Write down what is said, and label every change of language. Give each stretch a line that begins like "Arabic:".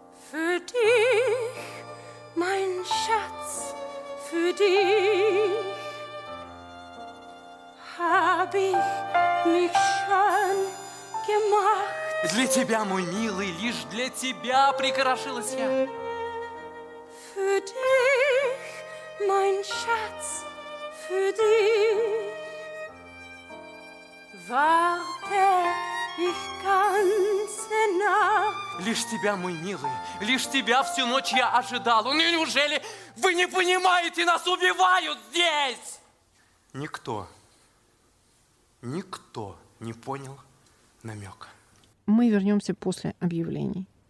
German: Für dich, mein Schatz, für dich hab ich mich schon gemacht.
Russian: Для тебя, мой милый, лишь для тебя прикрашилась я.
German: Für dich, mein Schatz, für dich warte ich ganze Nacht.
Russian: Лишь тебя, мой милый, лишь тебя всю ночь я ожидал. Ну неужели вы не понимаете, нас убивают здесь? Никто, никто не понял намека. Мы вернемся после объявлений.